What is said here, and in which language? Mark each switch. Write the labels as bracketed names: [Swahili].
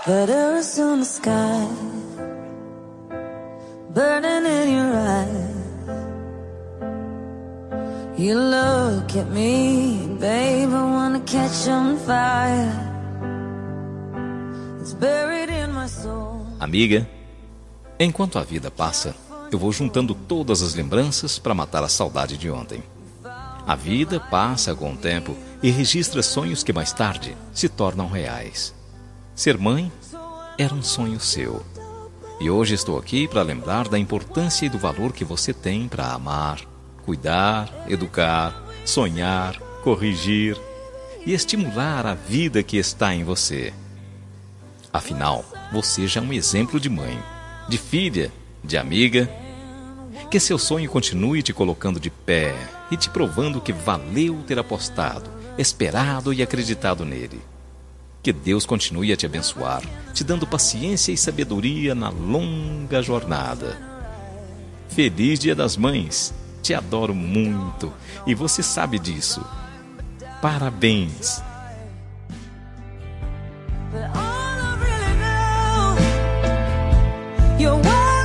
[English] Butter's on the sky, burning in your eyes. You look at me, babe, I wanna catch on fire. It's buried in my soul. [Portuguese] Amiga, enquanto a vida passa, eu vou juntando todas as lembranças para matar a saudade de ontem. A vida passa com o tempo e registra sonhos que mais tarde se tornam reais. Ser mãe era um sonho seu. E hoje estou aqui para lembrar da importância e do valor que você tem para amar, cuidar, educar, sonhar, corrigir e estimular a vida que está em você. Afinal, você já é um exemplo de mãe, de filha, de amiga. Que seu sonho continue te colocando de pé e te provando que valeu ter apostado, esperado e acreditado nele. Que Deus continue a te abençoar, te dando paciência e sabedoria na longa jornada. Feliz Dia das Mães! Te adoro muito e você sabe disso. Parabéns! [English] But all I really know, you're